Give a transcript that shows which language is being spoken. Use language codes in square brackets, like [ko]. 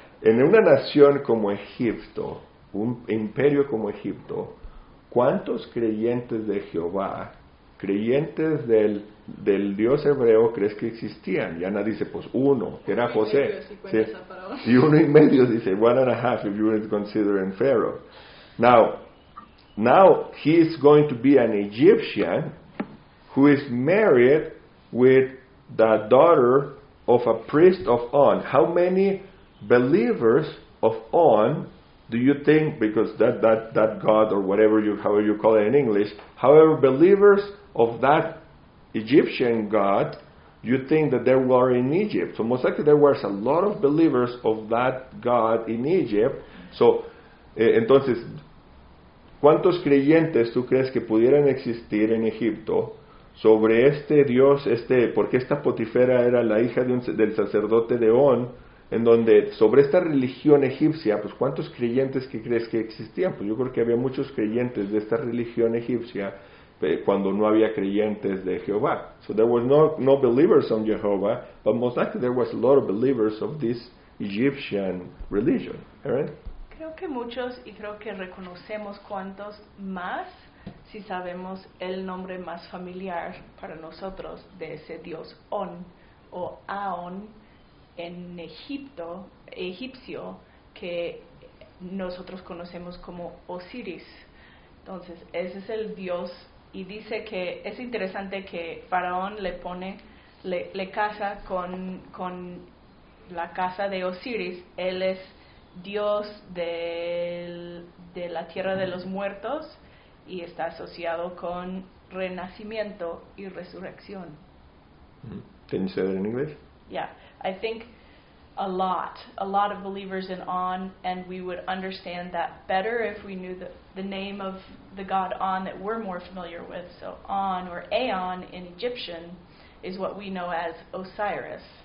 [es] En una nación como Egipto, un imperio como Egipto, ¿cuántos creyentes de Jehová, creyentes del Dios hebreo, crees que existían? Y Ana dice, pues uno, que era José. Sí. Y uno y medio, dice, [en] one and a half, if you were considering Pharaoh. Now he is going to be an Egyptian who is married with the daughter of a priest of On. How many believers of On do you think, because that God or whatever you, however you call it in English, however believers of that Egyptian God, you think that there were in Egypt? So most likely there was a lot of believers of that God in Egypt. [es] So, entonces, ¿cuántos creyentes tú crees que pudieran existir en Egipto sobre este Dios, porque esta Potifera era la hija del sacerdote de On, en donde, sobre esta religión egipcia, pues cuántos creyentes que crees que existían? Pues yo creo que había muchos creyentes de esta religión egipcia cuando no había creyentes de Jehová. [en] So there was no believers on Jehovah, but most likely there was a lot of believers of this Egyptian religion. Aaron? [es] Creo que muchos, y creo que reconocemos cuántos más si sabemos el nombre más familiar para nosotros de ese dios On o Aon en Egipto, egipcio, que nosotros conocemos como Osiris. Entonces, ese es el dios. Y dice que es interesante que Faraón le casa con la casa de Osiris. Él es dios de la tierra de los muertos y está asociado con renacimiento y resurrección. Can you say that in English? [en] Yeah, I think a lot of believers in On, and we would understand that better if we knew the name of the god On that we're more familiar with. So On or Aon in Egyptian is what we know as Osiris.